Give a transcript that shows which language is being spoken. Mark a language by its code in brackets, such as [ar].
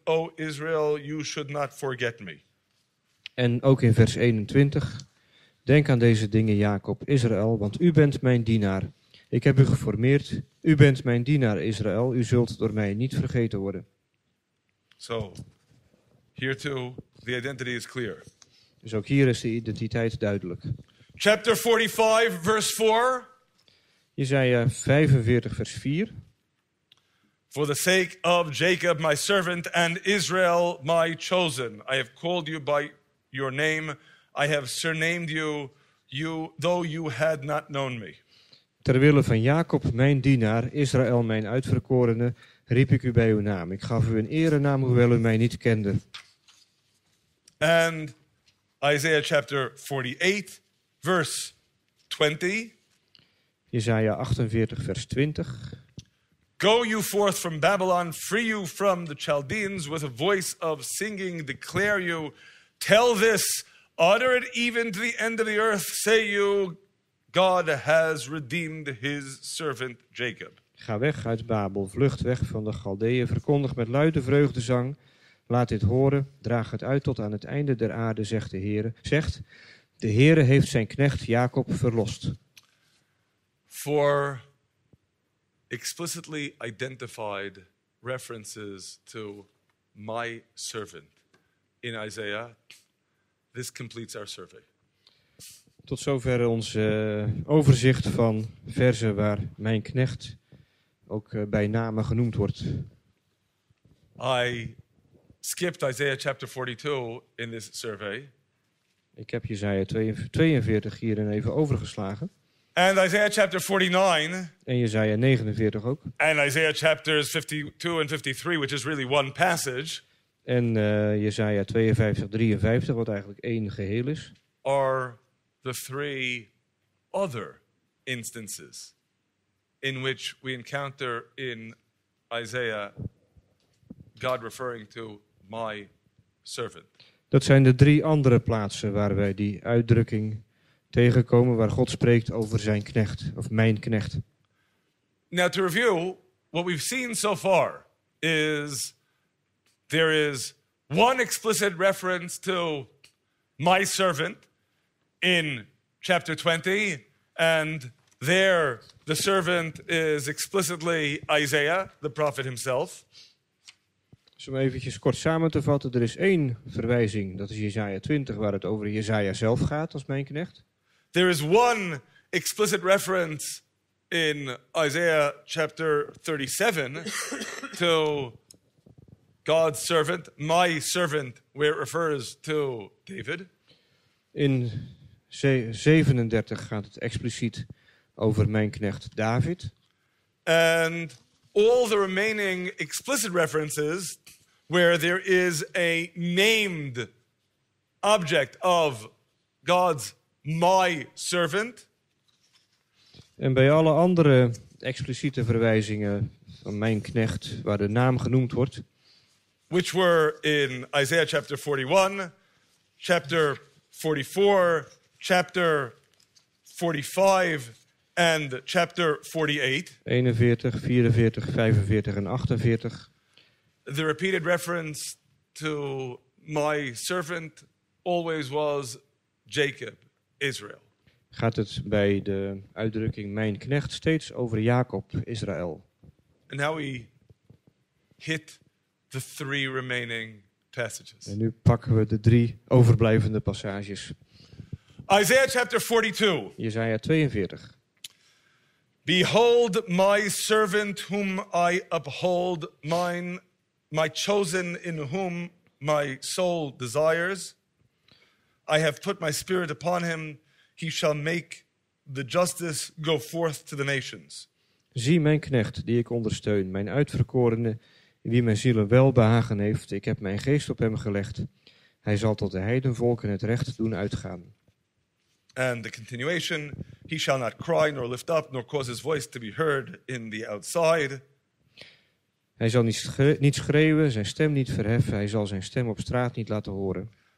[en] O Israel, you should not forget me. [nl] En ook in vers 21, denk aan deze dingen, Jacob, Israël, want u bent mijn dienaar. Ik heb u geformeerd, u bent mijn dienaar, Israël. U zult door mij niet vergeten worden. [en] So, here too. The identity is clear. [nl] Dus ook hier is de identiteit duidelijk. [en] Chapter 45, verse 4. [nl] Jesaja 45, vers 4. [en] For the sake of Jacob, my servant, and Israel, my chosen, I have called you by your name. I have surnamed you, though you had not known me. [nl] Terwille van Jacob, mijn dienaar, Israël, mijn uitverkorene, riep ik u bij uw naam. Ik gaf u een erenaam, hoewel u mij niet kende. [en] And Isaiah chapter 48, verse 20. [nl] Jesaja 48, vers 20. [en] Go you forth from Babylon, free you from the Chaldeans, with a voice of singing declare you. Tell this, utter it even to the end of the earth, say you, God has redeemed his servant Jacob. [nl] Ga weg uit Babel, vlucht weg van de Chaldeeën, verkondig met luide vreugdezang. Laat dit horen, draag het uit tot aan het einde der aarde, zegt de Heere. Zegt, de Heere heeft zijn knecht Jacob verlost. [en] For explicitly identified references to my servant in Isaiah, this completes our survey. [nl] Tot zover ons overzicht van verzen waar mijn knecht ook bij name genoemd wordt. [en] I skipped Isaiah chapter 42 in this survey. [nl] Ik heb Jesaja 42 hierin even overgeslagen. [en] And Isaiah chapter 49. [nl] En Jesaja 49 ook. [en] And Isaiah chapters 52 and 53, which is really one passage. [nl] En Jesaja 52, 53, wat eigenlijk één geheel is. [en] Are the three other instances in which we encounter in Isaiah God referring to my servant. [nl] Dat zijn de drie andere plaatsen waar wij die uitdrukking tegenkomen waar God spreekt over zijn knecht of mijn knecht. [en] Now to review, what we've seen so far is there is one explicit reference to my servant in chapter 20, and there the servant is explicitly Isaiah, the prophet himself. [nl] Dus om eventjes kort samen te vatten, er is één verwijzing, dat is Jesaja 20, waar het over Jesaja zelf gaat als mijn knecht. [en] There is one explicit reference in Isaiah chapter 37 to God's servant, my servant, where it refers to David. [nl] In 37 gaat het expliciet over mijn knecht David. [en] And all the remaining explicit references where there is a named object of God's my servant. [nl] En bij alle andere expliciete verwijzingen van mijn knecht waar de naam genoemd wordt, [en] which were in Isaiah chapter 41, chapter 44, chapter 45 and chapter 48. [nl] 41, 44, 45 en 48. [en] The repeated reference to my servant always was Jacob, Israel. [nl] Gaat het bij de uitdrukking mijn knecht steeds over Jacob, Israël? [en] And now we hit the three remaining passages. [nl] En nu pakken we de drie overblijvende passages. [en] Isaiah chapter 42. [nl] Jesaja 42. [en] Behold my servant whom I uphold, my chosen in whom my soul desires. I have put my spirit upon him. He shall make the justice go forth to the nations. [nl] Zie mijn knecht die ik ondersteun, mijn uitverkorene, wie mijn ziel welbehagen heeft. Ik heb mijn geest op hem gelegd. Hij zal tot de heidenvolken het recht doen uitgaan. [en] And the continuation, he shall not cry nor lift up nor cause his voice to be heard in the outside. [nl] Hij zal niet schreeuwen, zijn stem niet verheffen, hij zal zijn stem op straat niet laten horen.